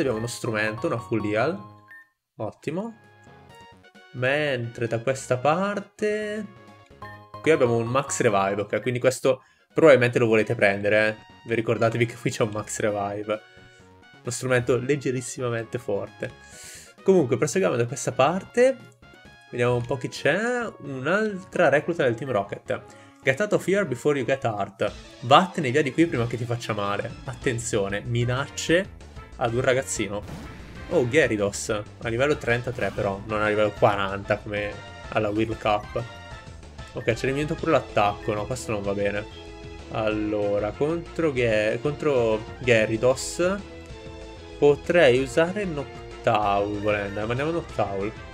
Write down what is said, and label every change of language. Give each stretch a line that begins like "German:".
Italian: Abbiamo uno strumento, una full heal. Ottimo. Mentre da questa parte... qui abbiamo un max revive, ok? Quindi questo probabilmente lo volete prendere. Vi ricordatevi che qui c'è un max revive. Uno strumento leggerissimamente forte. Comunque, proseguiamo da questa parte. Vediamo un po' chi c'è. Un'altra recluta del Team Rocket.
English: Get out of here before you get hurt.
Italian: Vattene via di qui prima che ti faccia male. Attenzione, minacce ad un ragazzino. Oh, Gyarados, a livello 33 però, non a livello 40 come alla World Cup. Ok, c'è diminuito pure l'attacco, no, questo non va bene. Allora, contro Gyarados potrei usare Noctowl volendo. Mandiamo Noctowl.